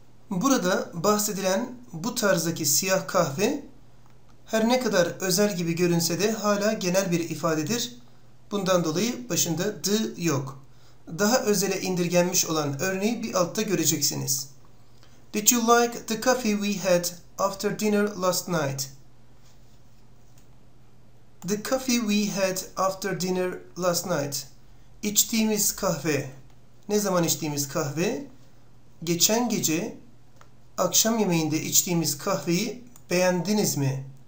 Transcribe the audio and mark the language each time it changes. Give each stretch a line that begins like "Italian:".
Turkish: Burada bahsedilen bu tarzdaki siyah kahve her ne kadar özel gibi görünse de hala genel bir ifadedir. Bundan dolayı başında the yok. Daha özele indirgenmiş olan örneği bir altta göreceksiniz.
English: Did you like the coffee we had after dinner last night? The coffee we had after dinner last night.
Turkish: İçtiğimiz kahve. Ne zaman içtiğimiz kahve? Geçen gece akşam yemeğinde içtiğimiz kahveyi beğendiniz mi?